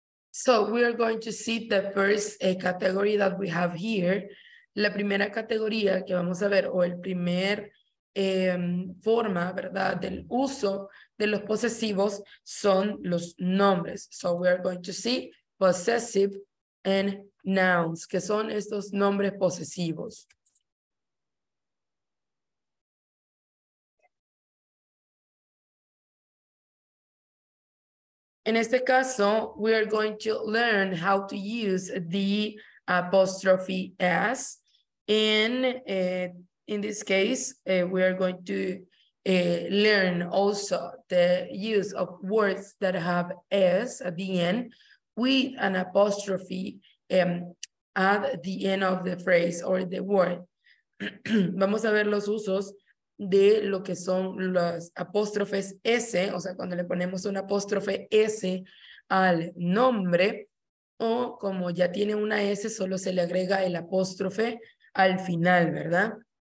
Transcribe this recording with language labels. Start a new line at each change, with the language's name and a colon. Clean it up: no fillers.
English: So we are going to see the first category that we have here.
Spanish: La primera categoría que vamos a ver, o el primer forma, ¿verdad?, del uso de los posesivos son los nombres.
English: So we are going to see possessive and nouns,
Spanish: que son estos nombres posesivos.
English: In
Spanish: este caso,
English: we are going to learn how to use the apostrophe S. And in this case, we are going to learn also the use of words that have S at the end with an apostrophe at the end of the phrase or the word.
Spanish: Vamos a ver los usos de lo que son las apóstrofes S, o sea, cuando le ponemos una apóstrofe S al nombre, o como ya tiene una S, solo se le agrega el apóstrofe al final, ¿verdad?